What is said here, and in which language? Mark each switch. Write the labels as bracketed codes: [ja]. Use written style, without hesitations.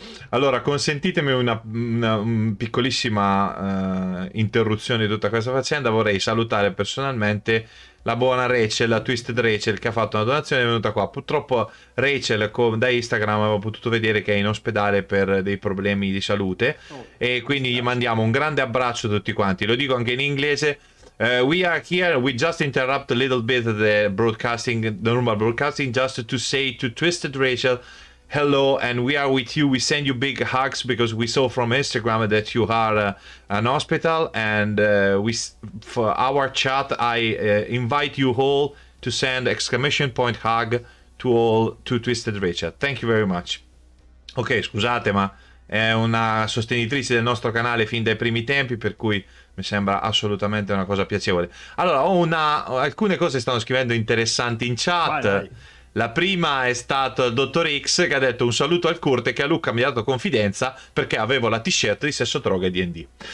[it] allora consentitemi una piccolissima interruzione di tutta questa faccenda. Vorrei salutare personalmente la buona Rachel, la Twisted Rachel, che ha fatto una donazione e è venuta qua. Purtroppo Rachel da Instagram avevo potuto vedere che è in ospedale per dei problemi di salute, e quindi gli mandiamo un grande abbraccio a tutti quanti. Lo dico anche in inglese. [en] We are here, we just interrupt a little bit the broadcasting, the normal broadcasting, just to say to Twisted Rachel hello, and we are with you, we send you big hugs because we saw from Instagram that you are an hospital, and for our chat I invite you all to send exclamation point hug to all to Twisted Rachel. Thank you very much. [it] Ok, scusate, ma è una sostenitrice del nostro canale fin dai primi tempi, per cui mi sembra assolutamente una cosa piacevole. Allora, alcune cose stanno scrivendo interessanti in chat. Vai. La prima è stato il dottor X che ha detto un saluto al corte, che a Luca mi ha dato confidenza perché avevo la t-shirt di Sesso, Droga e D&D.